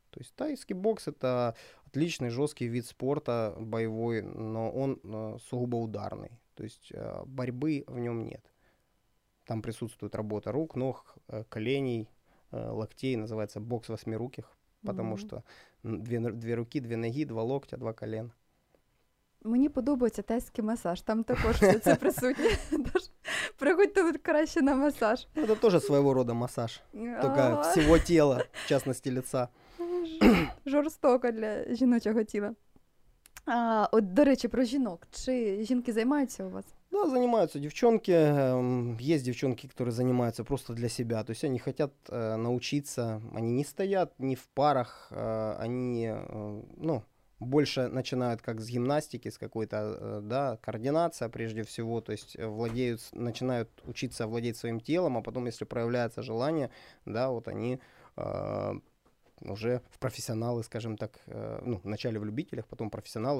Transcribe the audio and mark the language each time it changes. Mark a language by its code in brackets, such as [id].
[ru] То есть тайский бокс — это отличный жесткий вид спорта боевой, но он сугубо ударный. То есть борьбы в нем нет. Там присутствует работа рук, ног, коленей, локтей. Называется бокс восьмируких, потому что две руки, две ноги, два локтя, два колена. [uk] Мені подобається тайський масаж, там також все це присутнє. Тож приходьте тут краще на масаж. Це теж свого роду масаж, тільки всього тіла, в частності лиця. Жорстоко для жіночого тіла. От, до речі, про жінок. Чи жінки займаються у вас? [ru] Да, занимаются девчонки. Есть девчонки, которые занимаются просто для себя. То есть они хотят научиться. Они не стоят ни в парах. Они, ну, больше начинают как с гимнастики, с какой-то, да, координация прежде всего, то есть владеют, начинают учиться владеть своим телом, а потом, если проявляется желание, да, вот они уже в профессионалы, скажем так, ну, вначале в любителях, потом профессионалы.